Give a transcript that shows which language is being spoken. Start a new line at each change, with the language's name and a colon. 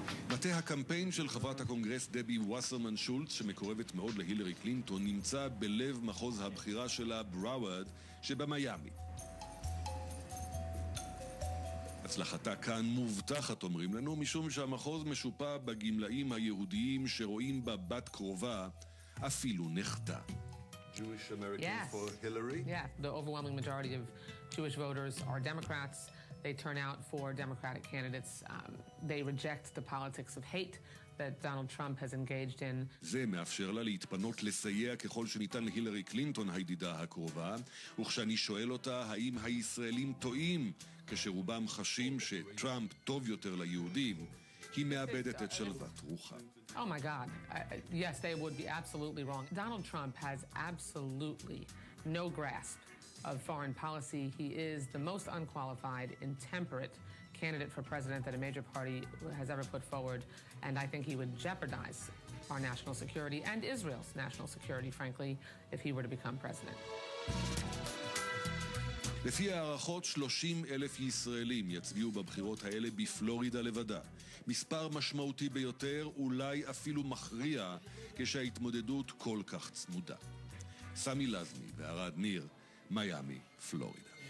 Hebrew: מטה הקמפיין של חברת הקונגרס דבי וסרמן שולץ, שמקורבת מאוד להילרי קלינטון, נמצא בלב מחוז הבחירה שלה, בראוורד, שבמיאמי. הצלחתה כאן מובטחת, אומרים לנו, משום שהמחוז משופע בגמלאים היהודיים שרואים בה בת קרובה, אפילו נחתה.
English: Jewish American yes. for Hillary? Yeah, the overwhelming majority of Jewish voters are Democrats. They turn out for Democratic candidates. They reject the politics of hate that Donald Trump has engaged in.
Hebrew: זה מאפשר לה להתפנות לסייע ככל שניתן להילרי קלינטון, הידידה הקרובה. וכשאני שואל אותה האם הישראלים טועים כשרובם חשים שטראמפ טוב יותר ליהודים, היא מאבדת את שלוות רוחה.
English: Oh my god. Yes, they would be absolutely wrong. Donald Trump has absolutely no grasp of foreign policy. He is the most unqualified, intemperate candidate for president that a major party has ever put forward, and I think he would jeopardize our national security and Israel's national security, frankly, if he were to become president.
Hebrew: לפי הערכות 30 אלף ישראלים יצביעו בבחירות האלה בפלורידה לבדה. מספר משמעותי ביותר, אולי אפילו מכריע, כשההתמודדות כל כך צמודה. סמי לזמי וערד ניר, מיאמי, פלורידה.